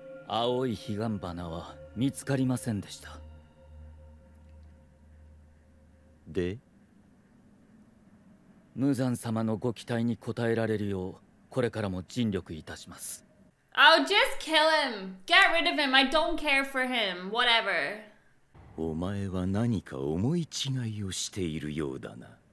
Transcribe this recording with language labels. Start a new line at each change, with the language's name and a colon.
Japanese: 青い彼岸花は見つかりませんでした。で? ムザン様のご期待に応えられるよう、これからも尽力いたします。
English: Oh, just kill him! Get rid of him! I don't care for him! Whatever!
Japanese: お前は何か思い違いをしているようだな。